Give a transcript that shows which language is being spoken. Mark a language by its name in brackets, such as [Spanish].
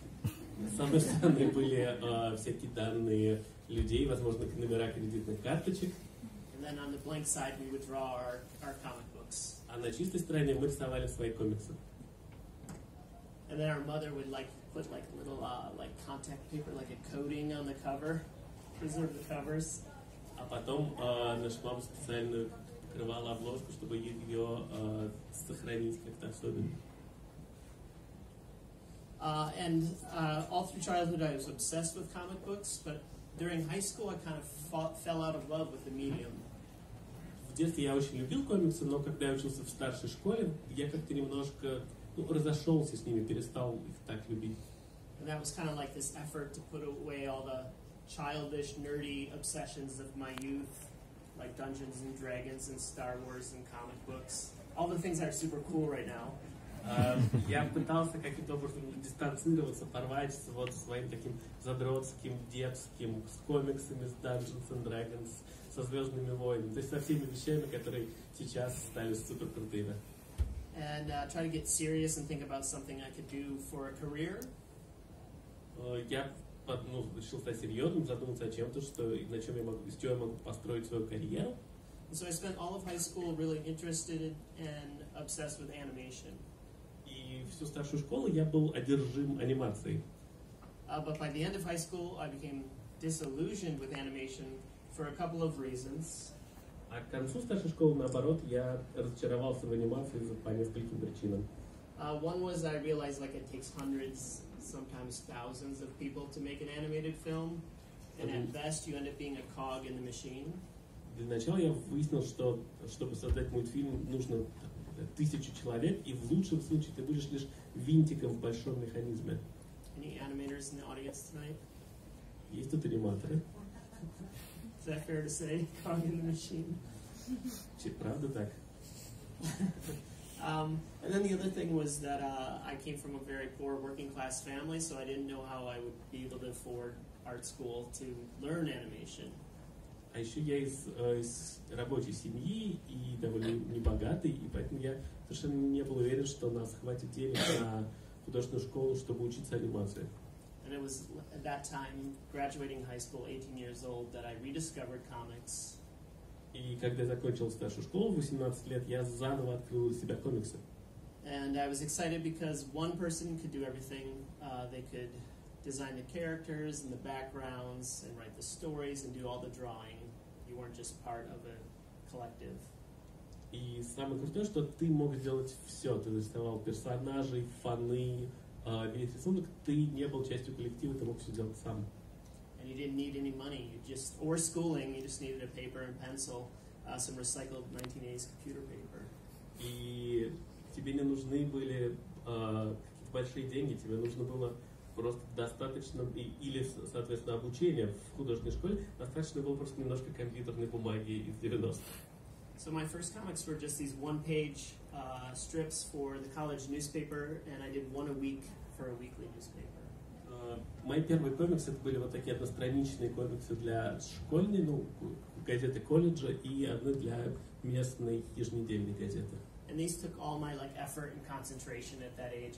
[Russian] С одной стороны были всякие данные людей, возможно, номера кредитных карточек. [English] And then on the blank side we would draw our comic books. [Russian] А на чистой стороне мы рисовали свои комиксы. [English] And then our mother would like put like little like contact paper, like a coating on the cover, preserve the covers. [Russian] А потом наша мама специально покрывала обложку, чтобы ее сохранить как-то особенно. [English] All through childhood I was obsessed with comic books, but during high school I kind of fell out of love with the medium. [Russian] В детстве я очень любил комиксы, но когда я учился в старшей школе, я как-то немножко разошелся с ними, перестал их так любить. [English] And that was kind of like this effort to put away all the childish, nerdy obsessions of my youth, like Dungeons and Dragons and Star Wars and comic books, all the things that are super cool right now. [Russian] Я пытался каким-то образом дистанцироваться, порвать вот своим таким задротским, детским, с комиксами, с Dungeons and Dragons, со Звездными войнами, то есть со всеми вещами, которые сейчас стали супер крутыми. [English] And try to get serious and think about something I could do for a career. [Russian] Я решил стать серьезным, задуматься о чем-то, что на чем я могу, из чего я могу построить свою карьеру. [English] And so I spent all of high school really interested and obsessed with animation. [Russian] И всю старшую школу я был одержим анимацией. [English] But by the end of high school, I became disillusioned with animation for a couple of reasons. [Russian] А к концу старшей школы, наоборот, я разочаровался в анимации по нескольким причинам. [English] One was I realized like it takes hundreds, sometimes thousands of people to make an animated film, and at best you end up being a cog in the machine. [Russian] Для начала я выяснил, что чтобы создать мультфильм, нужно тысячу человек, и в лучшем случае ты будешь лишь винтиком в большом механизме. [English] Any animators in the audience tonight? [Russian] Есть тут аниматоры? [English] Is that fair to say, cog in the machine? [Russian] Че, правда так? [English] And then the other thing was that I came from a very poor working class family, so I didn't know how I would be able to afford art school to learn animation. [Russian] А еще я из рабочей семьи и довольно небогатый, и поэтому я совершенно не был уверен, что у нас хватит денег на художественную школу, чтобы учиться анимации. [English] And it was at that time, graduating high school, 18 years old, that I rediscovered comics. [Russian] И когда я закончил старшую школу в 18 лет, я заново открыл для себя комиксы. [English] And I was excited because one person could do everything. They could design the characters and the backgrounds and write the stories and do all the drawing. You weren't just part of a collective. [Russian] И самое крутое, что ты мог сделать все. Ты рисовал персонажей, фаны, весь рисунок. Ты не был частью коллектива, ты мог все делать сам. [English] And you didn't need any money, or schooling. You just needed a paper and pencil, some recycled 1980s computer paper. [Russian] И тебе не нужны были какие-то большие деньги. Тебе нужно было просто достаточно или, соответственно, обучение в художественной школе. Достаточно было просто немножко компьютерной бумаги из 90-х. [English] So my first comics were just these one-page strips for the college newspaper, and I did one a week for a weekly newspaper. [Russian] Мои первые комиксы это были вот такие одностраничные комиксы для школьной, газеты колледжа и одной для местной еженедельной газеты. [English] And these took all my like effort and concentration at that age.